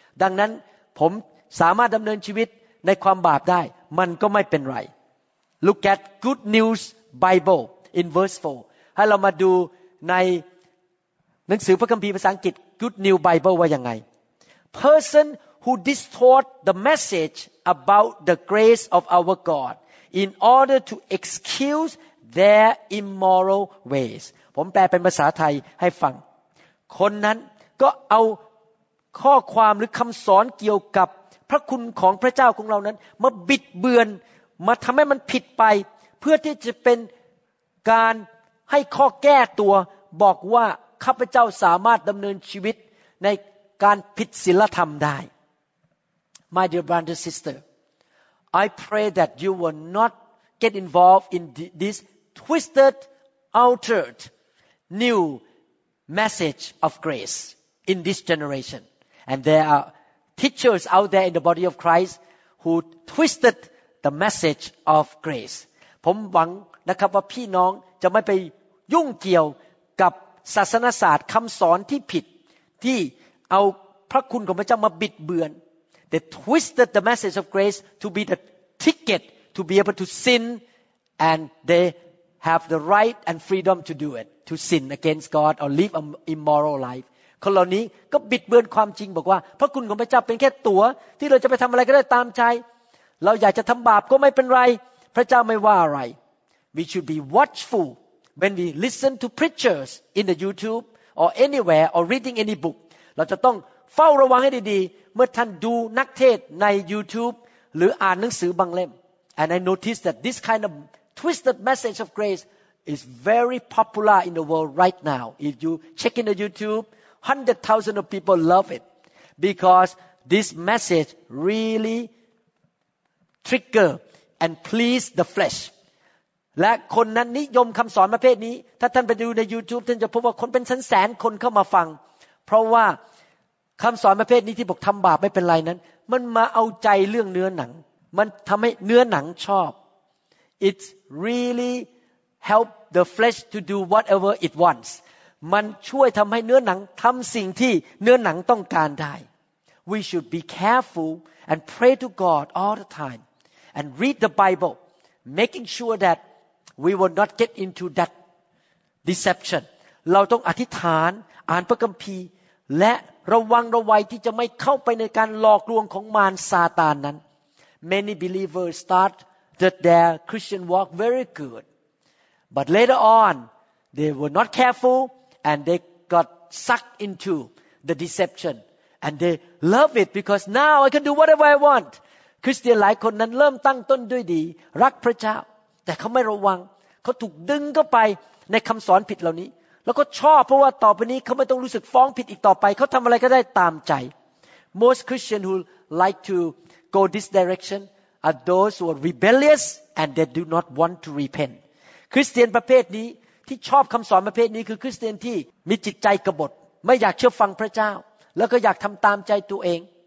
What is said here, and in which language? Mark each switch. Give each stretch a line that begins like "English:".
Thai: ดังนั้นผมสามารถดำเนินชีวิตในความบาปได้มันก็ไม่เป็นไร
English: Look at Good News Bible in verse 4.
Thai: ให้เรามาดูในหนังสือพระคัมภีร์ภาษาอังกฤษ Good New Bible ว่ายังไง
English: Person who distort the message about the grace of our God in order to excuse their immoral ways.
Thai: ผมแปลเป็นภาษาไทยให้ฟังคนนั้นก็เอาข้อความหรือคำสอนเกี่ยวกับพระคุณของพระเจ้าของเรานั้นมาบิดเบือนมาทำให้มันผิดไปเพื่อที่จะเป็นการให้ข้อแก้ตัวบอกว่าข้าพเจ้าสามารถดำเนินชีวิตในการผิดศีลธรรมได้
English: My dear brother sister I pray that you will not get involved in this twisted altered new message of grace in this generation and there are teachers out there in the body of Christ who twisted the message of grace
Thai: ผมหวังนะครับว่าพี่น้องจะไม่ไปยุ่งเกี่ยวกับศาสนศาสตร์คำสอนที่ผิดที่เอาพระคุณของพระเจ้ามาบิดเบือน
English: They twisted the message of grace to be the ticket to be able to sin and they have the right and freedom to do it to sin against God or live an immoral life
Thai: คนเหล่านี้ก็บิดเบือนความจริงบอกว่าพระคุณของพระเจ้าเป็นแค่ตั๋วที่เราจะไปทำอะไรก็ได้ตามใจเราอยากจะทำบาปก็ไม่เป็นไรพระเจ้าไม่ว่าอะไร
English: We should be watchfulWhen we listen to preachers in the YouTube or anywhere or reading any book,
Thai: เราจะต้องเฝ้าระวังให้ดีๆเมื่อท่านดูนักเทศใน YouTube หรืออ่านหนังสือบางเล่ม
English: And I notice that this kind of twisted message of grace is very popular in the world right now. If you check in the YouTube, 100,000 of people love it because this message really trigger and please the flesh.
Thai: และคนนั้นนิยมคำสอนประเภทนี้ถ้าท่านไปดูใน YouTube ท่านจะพบว่าคนเป็นแสนๆคนเข้ามาฟังเพราะว่าคำสอนประเภทนี้ที่บอกทำบาปไม่เป็นไรนั้นมันมาเอาใจเรื่องเนื้อหนังมันทำให้เนื้อหนังชอบ
English: It really help the flesh to do whatever it wants
Thai: มันช่วยทำให้เนื้อหนังทำสิ่งที่เนื้อหนังต้องการได้
English: We should be careful and pray to God all the time and read the Bible making sure thatWe will not get into that deception.
Thai: เราต้องอธิษฐานอ่านพระคัมภีร์และระวังระวัยที่จะไม่เข้าไปในการหลอกลวงของมารซาตานนั้น
English: Many believers start their Christian walk very good. But later on, they were not careful and they got sucked into the deception. And they love it because now I can do whatever I want.
Thai: คริสเตียนหลายคนนั้นเริ่มตั้งต้นด้วยดีรักพระเจ้าแต่เขาไม่ระวังเขาถูกดึงเข้าไปในคำสอนผิดเหล่านี้แล้วก็ชอบเพราะว่าต่อไปนี้เขาไม่ต้องรู้สึกฟ้องผิดอีกต่อไปเขาทำอะไรก็ได้ตามใจ
English: Most Christians who like to go this direction are those who are rebellious and they do not want to repent
Thai: คริสเตียนประเภทนี้ที่ชอบคำสอนประเภทนี้คือคริสเตียนที่มีจิตใจกบฏไม่อยากเชื่อฟังพระเจ้าแล้วก็อยากทำตามใจตัวเอง